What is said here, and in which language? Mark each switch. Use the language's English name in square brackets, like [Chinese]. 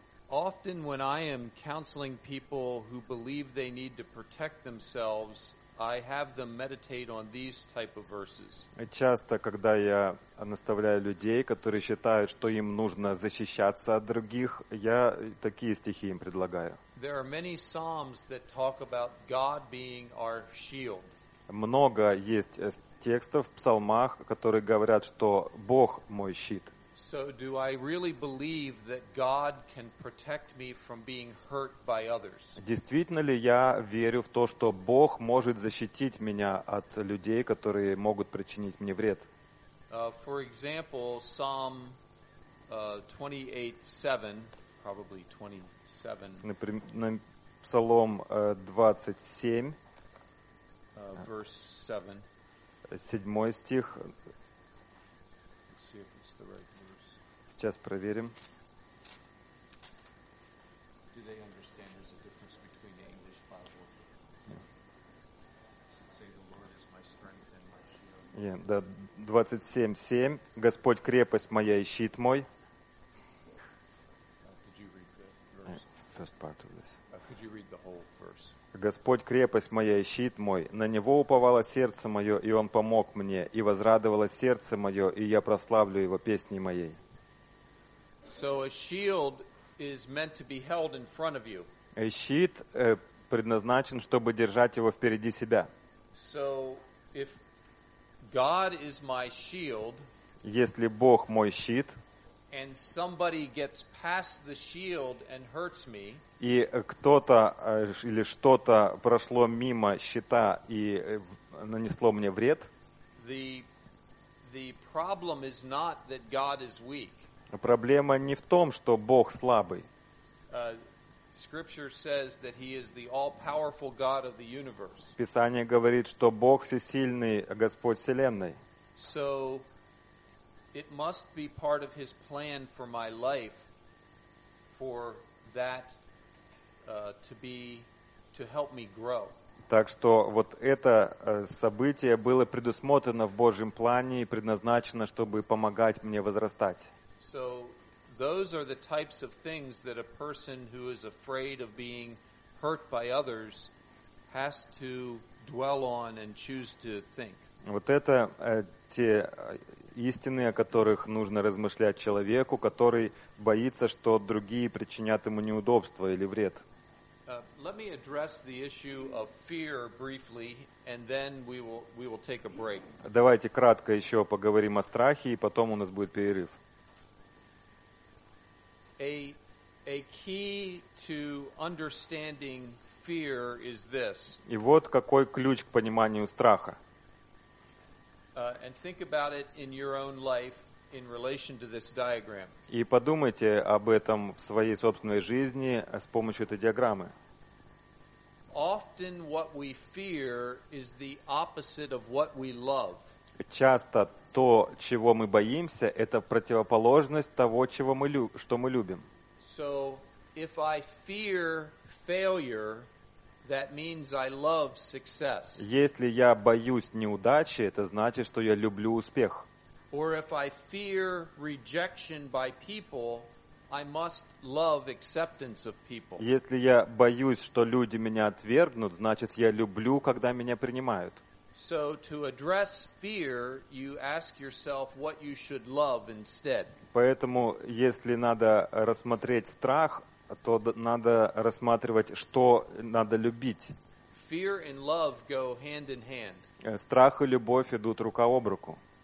[English] Often when I am counseling people who believe they need to protect themselves, I have them meditate on these type of verses. [Russian] Часто, когда я наставляю людей, которые считают, что им нужно защищаться от других, я такие стихи им предлагаю. [English] There are many psalms that talk about God being our shield. [Russian] Много есть текстов в псалмах, которые говорят, что Бог мой щит. [English] So do I really believe that God can protect me from being hurt by others? [Russian] Действительно ли я верю в то, что Бог может защитить меня от людей, которые могут причинить мне вред? [English] For example, Psalm 28:7, probably 27. [Russian] Например, Псалом 27, [English] verse [Russian] 7. Седьмой стих. [English] Let's see if it's the right. [Russian] Сейчас проверим. [English] Do they understand there's a difference between the English Bible? Yeah. It say the Lord is my strength and my shield. Yeah, [Russian] да, [English] 27:7. [Russian] Господь крепость моя и щит мой. [English] Could you read the verse? First part of this. Could you read the whole verse? [Russian] Господь крепость моя и щит мой. На него уповало сердце мое, и он помог мне, и возрадовалось сердце мое, и я прославлю его песней моей. [English] So a shield is meant to be held in front of you. [Russian] Щит предназначен, чтобы держать его впереди себя. [English] So if God is my shield, [Russian] если Бог мой щит, [English] and somebody gets past the shield and hurts me, [Russian] и кто-то или что-то прошло мимо щита и нанесло мне вред, [English] the problem is not that God is weak. [Russian] Проблема не в том, что Бог слабый. [English] Scripture says that he is the all-powerful God of the universe. [Russian] Писание говорит, что Бог всесильный, Господь вселенной. [English] So it must be part of his plan for my life for that to help me grow. [Russian] Так что вот это событие было предусмотрено в Божьем плане и предназначено, чтобы помогать мне возрастать. [English] So those are the types of things that a person who is afraid of being hurt by others has to dwell on and choose to think. [Russian] Вот это те истины, о которых нужно размышлять человеку, который боится, что другие причинят ему неудобство или вред. [English] Let me address the issue of fear briefly, and then we will take a break. [Russian] Давайте кратко еще поговорим о страхе, и потом у нас будет перерыв. [English] A key to understanding fear is this. [Russian] И вот какой ключ к пониманию страха. [English] And think about it in your own life in relation to this diagram. [Russian] И подумайте об этом в своей собственной жизни с помощью этой диаграммы. [English] Often what we fear is the opposite of what we love. [Russian] Часто то, чего мы боимся, это противоположность того, чего мы что мы любим. [English] So, if I fear failure, that means I love success. [Russian] Если я боюсь неудачи, это значит, что я люблю успех. [English] Or if I fear rejection by people, I must love acceptance of people. [Russian] Если я боюсь, что люди меня отвергнут, значит, я люблю, когда меня принимают. [English] So to address fear, you ask yourself what you should love instead. [Russian] Поэтому, если надо рассмотреть страх, то надо рассматривать, что надо любить. [English] Fear and love go hand in hand. [Russian] Страх и любовь идут рука об руку.